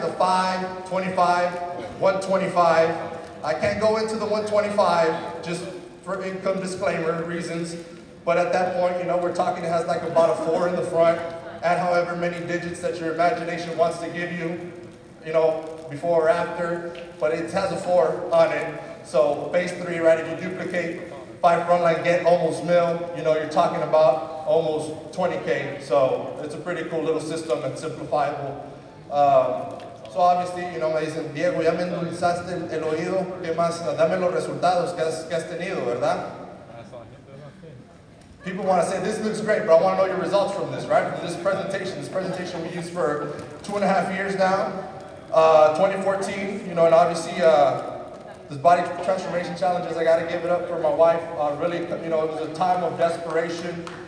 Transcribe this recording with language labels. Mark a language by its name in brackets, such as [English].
[English] The 5, 25, 125. I can't go into the 125 just for income disclaimer reasons, but at that point, you know, we're talking, it has like about a 4 in the front at however many digits that your imagination wants to give you, you know, before or after, but it has a 4 on it. So phase three, right, if you duplicate 5 frontline get almost mil, you know, you're talking about almost 20K. So it's a pretty cool little system and simplifiable. So obviously, you know, [Spanish] me dicen, Diego, ya me endulzaste el oído, ¿qué más? Dame los resultados que has tenido, ¿verdad? [English] People want to say, this looks great, but I want to know your results from this, right? From this presentation we used for 2.5 years now, 2014, you know, and obviously, this body transformation challenges, I got to give it up for my wife, really, you know, it was a time of desperation.